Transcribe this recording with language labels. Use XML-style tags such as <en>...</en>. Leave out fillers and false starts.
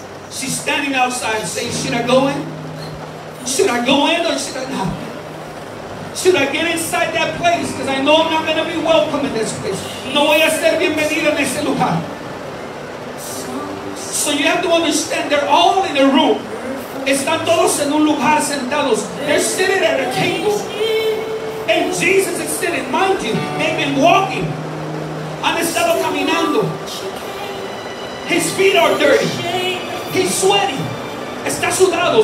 <en>She's standing outside saying, should I go in? Should I go in or should I not? Should I get inside that place? Because I know I'm not going to be welcome in this place.</en> <es>No voy a ser bienvenida en ese lugar.</es> <en>So you have to understand, they're all in a room.</en> <es>Están todos en un lugar sentados.</es> <en>They're sitting at a table. And Jesus is sitting, mind you, they've been walking.</en> <es>Han estado caminando.</es> <en>His feet are dirty. He's sweaty.</en> <es>Está sudado.</es>